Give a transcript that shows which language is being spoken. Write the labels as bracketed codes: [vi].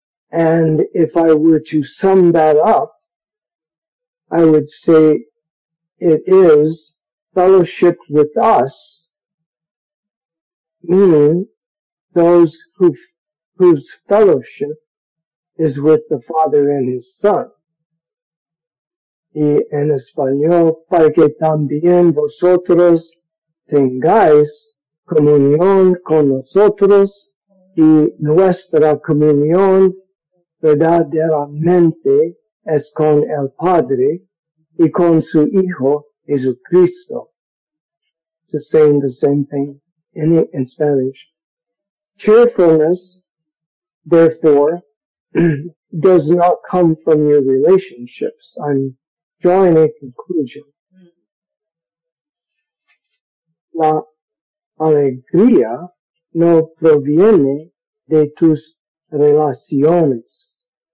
[en] And if I were to sum that up, I would say it is fellowship with us, meaning those whose fellowship is with the Father and his Son. [es] Y en español, para que también vosotros tengáis comunión con nosotros y nuestra comunión verdaderamente es con el Padre y con su Hijo Jesucristo. [en] Just saying the same thing in Spanish. Cheerfulness, therefore, does not come from your relationships. I'm drawing a conclusion. [es] La alegría no proviene de tus relaciones.